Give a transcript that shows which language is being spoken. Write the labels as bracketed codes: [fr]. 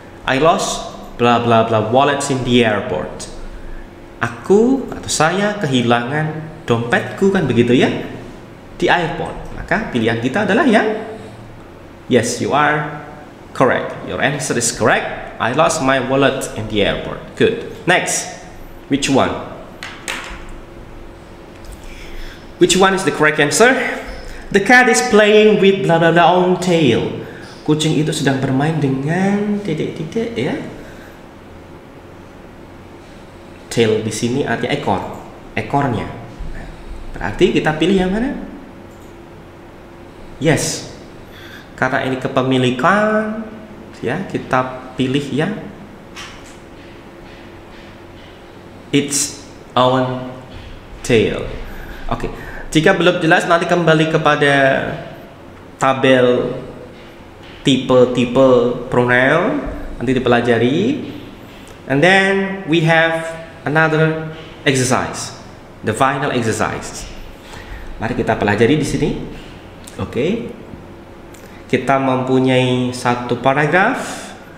[en] I lost bla bla bla wallets in the airport. [id] Aku atau saya kehilangan dompetku, kan begitu ya, di airport. Maka pilihan kita adalah yang [en] yes, you are correct. Your answer is correct. I lost my wallet in the airport. Good. Next, which one? Which one is the correct answer? The cat is playing with blah blah blah on tail. [id] Kucing itu sedang bermain dengan titik-titik ya. Tail di sini artinya ekor, ekornya. Berarti kita pilih yang mana? Yes. Karena ini kepemilikan, ya, kita pilih ya. [en] Its own tail. Oke. [id] Jika belum jelas, nanti kembali kepada tabel tipe-tipe pronoun, nanti dipelajari. [en] And then we have another exercise, the final exercise. [id] Mari kita pelajari di sini. Oke. Kita mempunyai satu paragraf.